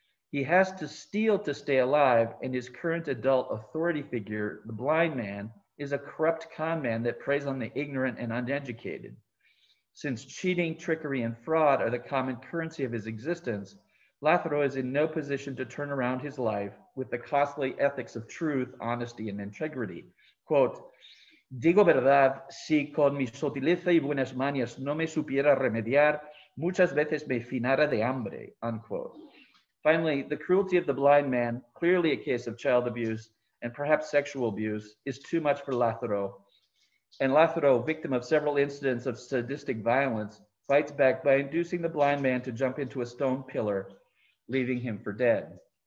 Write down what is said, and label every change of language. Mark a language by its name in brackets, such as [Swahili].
[English] He has to steal to stay alive, and his current adult authority figure, the blind man, is a corrupt con man that preys on the ignorant and uneducated. Since cheating, trickery, and fraud are the common currency of his existence, Lázaro is in no position to turn around his life with the costly ethics of truth, honesty, and integrity. [Spanish] Quote, digo verdad, si con mi sutileza y buenas mañas no me supiera remediar, muchas veces me finara de hambre, unquote. [English] Finally, the cruelty of the blind man, clearly a case of child abuse and perhaps sexual abuse, is too much for Lázaro. And Lázaro, victim of several incidents of sadistic violence, fights back by inducing the blind man to jump into a stone pillar, leaving him for dead.